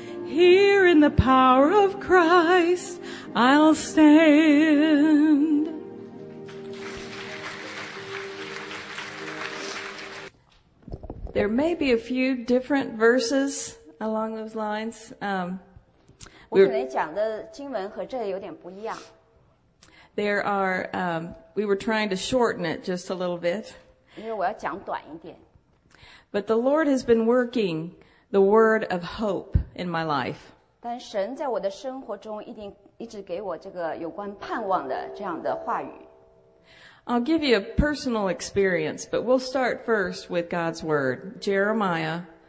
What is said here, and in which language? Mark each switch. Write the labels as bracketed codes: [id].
[en] Here in the power of Christ, I'll stand. There may be a few different verses along those lines. [zh] 我可能讲的经文和这有点不一样。 [en] There are, we were trying to shorten it just a little bit. But the Lord has been working the word of hope in my life. I'll give you a personal experience, but we'll start first with God's word, Jeremiah